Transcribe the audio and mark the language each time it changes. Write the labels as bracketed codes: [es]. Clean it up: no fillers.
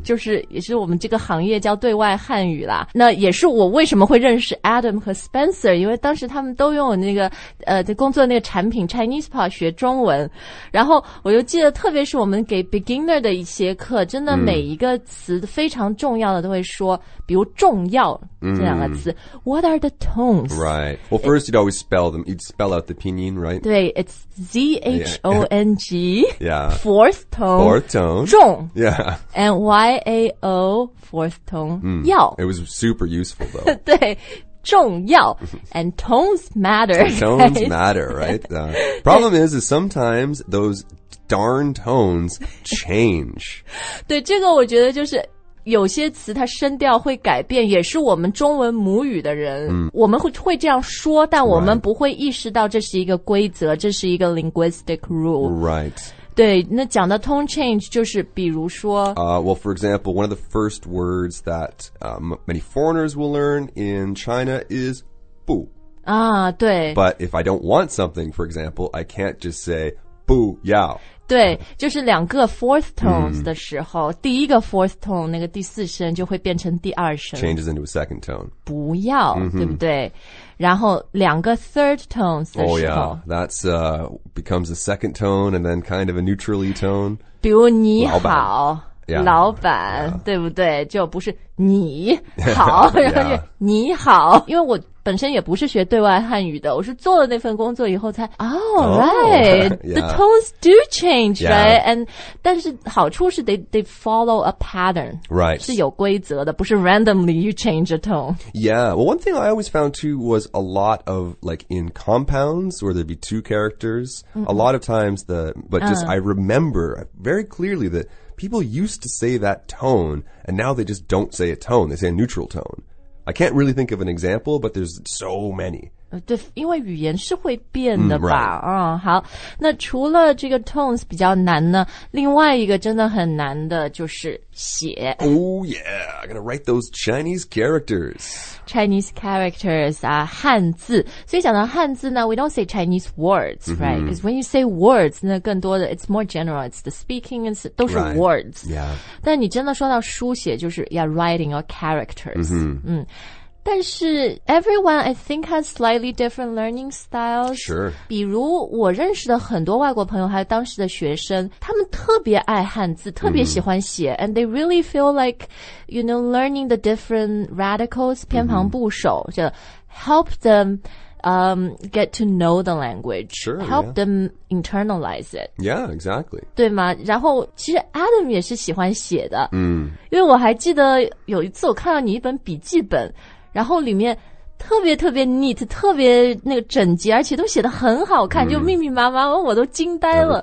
[zh] 就是也是我们这个行业叫对外汉语啦。那也是我为什么会认识 Adam 和 Spencer, 因为当时他们都用我那个工作那个产品 ChinesePod 学中文，然后我就记得特别是我们给 beginner 的一些课，真的每一个词非常重要的都会说，比如重要这两个词、mm. [en] What are the tones? Right. Well, first you'd always spell them. You'd spell out the pinyin, right? 对 It's Z-H-O-N-G Yeah. Fourth tone. Fourth tone. [zh] 重 Yeah. [en] And Y-A-O Fourth tone、mm. [zh] 要 [en] It was super useful though. [zh] 对重要 [en] and tones matter. Tones matter, right? Problem is sometimes those darn tones change. [zh] 对，这个我觉得就是有些词它声调会改变，也是我们中文母语的人、 mm. 我们会这样说，但我们不会意识到这是一个规则，这是一个 [en] linguistic rule. Right. [zh] 对，那讲到 tone change 就是比如说、 [en] Well, for example, one of the first words that、many foreigners will learn in China is 不 [zh] 啊，对 [en] But if I don't want something, for example, I can't just say [zh] 不要对，就是两个 [en] fourth tones [zh] 的时候、mm. 第一个 fourth tone 那个第四声就会变成第二声 [en] Changes into a second tone [zh] 不要、 mm-hmm. 对不对然后两个 [en] third tones [zh] 的时候 [en] Oh yeah, that's、becomes a second tone and then kind of a neutrally tone [zh] 比如你好老板,、yeah. 老板 yeah. 对不对就不是你好然后就你好、 yeah. 因为我本身也不是学对外汉语的我是做了那份工作以后才 Oh, [en] oh right The tones do change、 yeah. right and [zh] 但是好处是 [en] they follow a pattern Right [zh] 是有规则的不是 [en] randomly you change a tone Yeah Well one thing I always found too was a lot of like in compounds where there'd be two characters、 mm-hmm. a lot of times the but just、I remember very clearly that people used to say that tone and now they just don't say a tone they say a neutral toneI can't really think of an example, but there's so many. [zh] 对，因为语言是会变的吧？ Mm, right. 嗯，好。那除了这个 tones 比较难呢，另外一个真的很难的就是写。 [en] Oh yeah, I'm gonna write those Chinese characters. Chinese characters [zh] 啊，汉字。 所以讲到汉字呢 [en] ，we don't say Chinese words,、 mm-hmm. right? Because when you say words, [zh] 那更多的 [en] it's more general. It's the speaking is [zh] 都是 [en] words. Right. Yeah. [zh] 但你真的说到书写，就是 [en] yeah, writing your characters. 嗯、mm-hmm. 嗯。 [zh] 但是 [en] everyone I think has slightly different learning styles. Sure. [zh] 比如我认识的很多外国朋友还有当时的学生他们特别爱汉字特别喜欢写、mm-hmm. [en] and they really feel like, you know, learning the different radicals, [zh] 偏旁部首、mm-hmm. 就 [en] help them,get to know the language. Sure, help、 them internalize it. Yeah, exactly. [zh] 对吗然后其实 Adam 也是喜欢写的。嗯、mm-hmm. 因为我还记得有一次我看到你一本笔记本然后里面特别特别 neat, 特别那个整洁而且都写得很好看、mm. 就密密麻麻我都惊呆了。